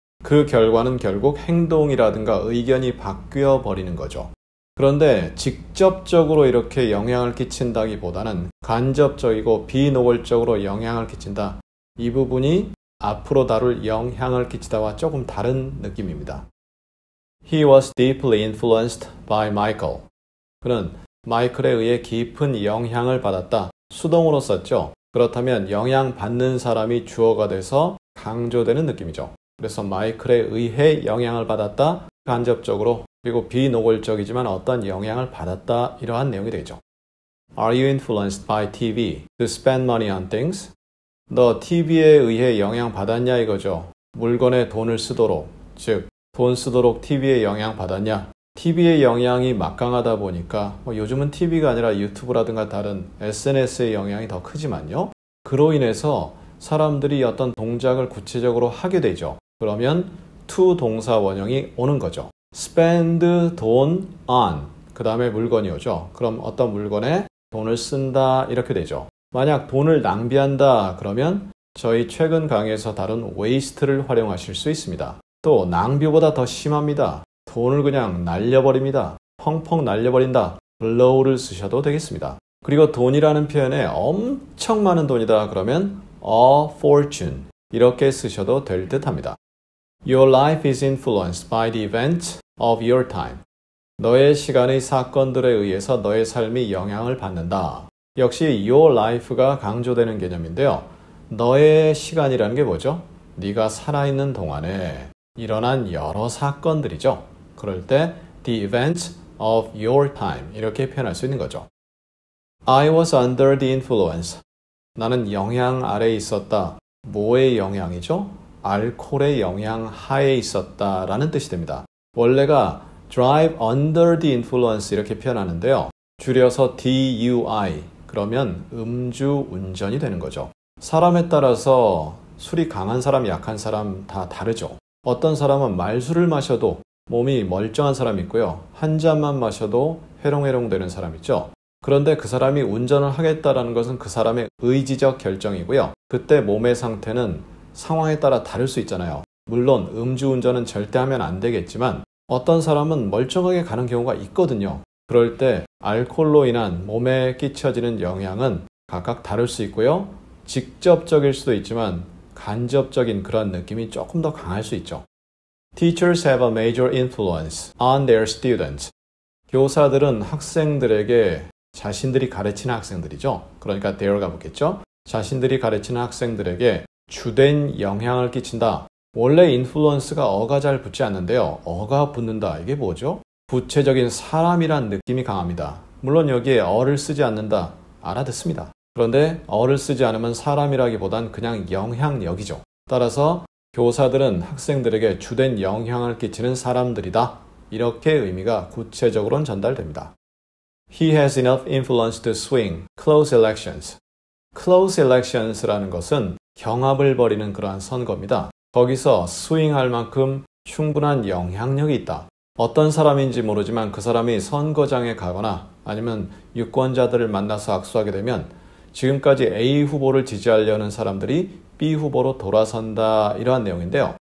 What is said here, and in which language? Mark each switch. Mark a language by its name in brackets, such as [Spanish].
[Korean] 그 결과는 결국 행동이라든가 의견이 바뀌어 버리는 거죠. 그런데 직접적으로 이렇게 영향을 끼친다기보다는 간접적이고 비노골적으로 영향을 끼친다. 이 부분이 앞으로 다룰 영향을 끼치다와 조금 다른 느낌입니다. [English] He was deeply influenced by Michael. [Korean] 그는 마이클에 의해 깊은 영향을 받았다. 수동으로 썼죠. 그렇다면 영향받는 사람이 주어가 돼서 강조되는 느낌이죠. 그래서 마이클에 의해 영향을 받았다. 간접적으로 그리고 비노골적이지만 어떤 영향을 받았다. 이러한 내용이 되죠. [English] Are you influenced by TV to spend money on things? [Korean] 너 TV에 의해 영향받았냐 이거죠. 물건에 돈을 쓰도록, 즉 돈 쓰도록 TV에 영향받았냐. TV의 영향이 막강하다 보니까 뭐 요즘은 TV가 아니라 유튜브라든가 다른 SNS의 영향이 더 크지만요. 그로 인해서 사람들이 어떤 동작을 구체적으로 하게 되죠. 그러면 to 동사 원형이 오는 거죠. Spend 돈 on 그 다음에 물건이 오죠. 그럼 어떤 물건에 돈을 쓴다 이렇게 되죠. 만약 돈을 낭비한다 그러면 저희 최근 강의에서 다룬 waste를 활용하실 수 있습니다. 또 낭비보다 더 심합니다. 돈을 그냥 날려버립니다. 펑펑 날려버린다. blow를 쓰셔도 되겠습니다. 그리고 돈이라는 표현에 엄청 많은 돈이다 그러면 [English] a fortune [Korean] 이렇게 쓰셔도 될 듯합니다. [English] Your life is influenced by the events of your time. [Korean] 너의 시간의 사건들에 의해서 너의 삶이 영향을 받는다. 역시 [English] your life [Korean] 가 강조되는 개념인데요. 너의 시간이라는 게 뭐죠? 네가 살아있는 동안에 일어난 여러 사건들이죠. 그럴 때 [English] the events of your time [Korean] 이렇게 표현할 수 있는 거죠. [English] I was under the influence. [Korean] 나는 영향 아래에 있었다. 뭐의 영향이죠? 알코올의 영향 하에 있었다 라는 뜻이 됩니다. 원래가 [English] drive under the influence [Korean] 이렇게 표현하는데요. 줄여서 DUI 그러면 음주 운전이 되는 거죠. 사람에 따라서 술이 강한 사람, 약한 사람 다 다르죠. 어떤 사람은 말술을 마셔도 몸이 멀쩡한 사람이 있고요. 한 잔만 마셔도 회롱회롱 되는 사람 있죠. 그런데 그 사람이 운전을 하겠다라는 것은 그 사람의 의지적 결정이고요. 그때 몸의 상태는 상황에 따라 다를 수 있잖아요. 물론 음주운전은 절대 하면 안 되겠지만 어떤 사람은 멀쩡하게 가는 경우가 있거든요. 그럴 때 알코올로 인한 몸에 끼쳐지는 영향은 각각 다를 수 있고요. 직접적일 수도 있지만 간접적인 그런 느낌이 조금 더 강할 수 있죠. [English] Teachers have a major influence on their students. [Korean] 교사들은 학생들에게 자신들이 가르치는 학생들이죠. 그러니까 they를 가보겠죠. 자신들이 가르치는 학생들에게 주된 영향을 끼친다. 원래 influence가 어가 잘 붙지 않는데요. 어가 붙는다. 이게 뭐죠? 구체적인 사람이란 느낌이 강합니다. 물론 여기에 어를 쓰지 않는다. 알아듣습니다. 그런데 어를 쓰지 않으면 사람이라기보단 그냥 영향력이죠. 따라서 교사들은 학생들에게 주된 영향을 끼치는 사람들이다. 이렇게 의미가 구체적으로는 전달됩니다. [English] He has enough influence to swing close elections. [Korean] Close elections라는 것은 경합을 벌이는 그러한 선거입니다. 거기서 스윙할 만큼 충분한 영향력이 있다. 어떤 사람인지 모르지만 그 사람이 선거장에 가거나 아니면 유권자들을 만나서 악수하게 되면 지금까지 A 후보를 지지하려는 사람들이 B 후보로 돌아선다 이러한 내용인데요.